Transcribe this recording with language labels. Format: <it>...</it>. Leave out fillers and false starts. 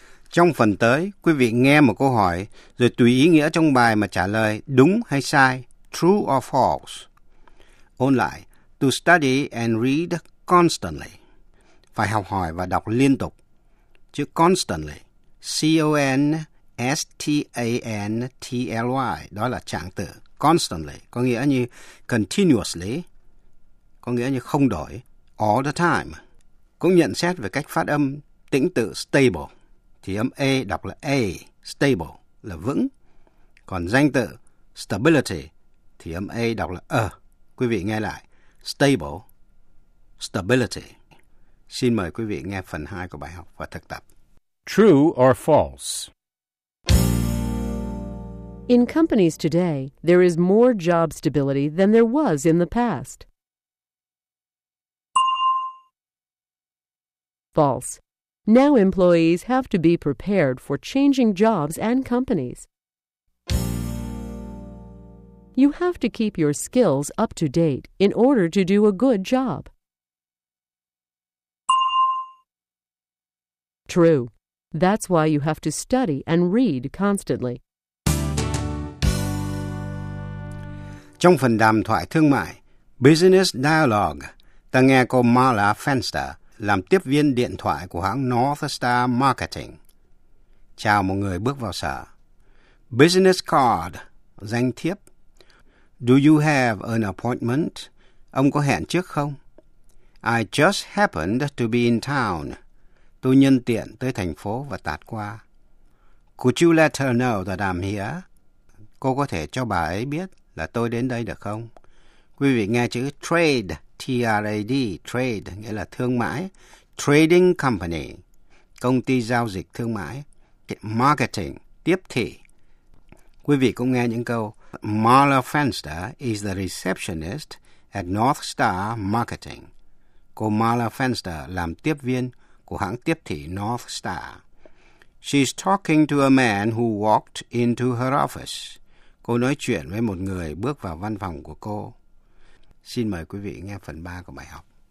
<vi>Trong phần tới, quý vị nghe một câu hỏi, rồi tùy ý nghĩa trong bài mà trả lời đúng hay sai,</vi> <en>true or false.</en> <vi>Ôn lại,</vi> <en>to study and read constantly.</en> <vi>Phải học hỏi và đọc liên tục. Chữ constantly, C-O-N-S-T-A-N-T-L-Y, đó là trạng từ. Constantly, có nghĩa như continuously, có nghĩa như không đổi,</vi> <en>all the time.</en> <vi>Cũng nhận xét về cách phát âm tĩnh tự stable. Thì âm A đọc là A, stable, là vững. Còn danh tự stability, thì âm A đọc là A. Quý vị nghe lại, stable, stability. Xin mời quý vị nghe phần 2 của bài học và thực tập.</vi> <en>True or false? In companies today, there is more job stability than there was in the past. False. Now employees have to be prepared for changing jobs and companies. You have to keep your skills up to date in order to do a good job. True. That's why you have to study and read constantly.</en> <vi>Trong phần đàm thoại thương mại, Business Dialogue, ta nghe cô Marla Fenster làm tiếp viên điện thoại của hãng North Star Marketing. Chào một người bước vào sở. Business card, danh thiếp.</vi> <en>Do you have an appointment?</en> <vi>Ông có hẹn trước không?</vi> <en>I just happened to be in town.</en> <vi>Tôi nhân tiện tới thành phố và tạt qua.</vi> <en>Could you let her know that I'm here?</en> <vi>Cô có thể cho bà ấy biết là tôi đến đây được không? Quý vị nghe chữ trade. T-R-A-D, trade, nghĩa là thương mại. Trading company, công ty giao dịch thương mại. Marketing, tiếp thị. Quý vị cũng nghe những câu.</vi> <en>Marla Fenster is the receptionist at North Star Marketing.</en> <vi>Cô Marla Fenster làm tiếp viên của hãng tiếp thị North Star.</vi> <en>She's talking to a man who walked into her office.</en> <vi>Cô nói chuyện với một người bước vào văn phòng của cô. Xin mời quý vị nghe phần 3 của bài học.</vi>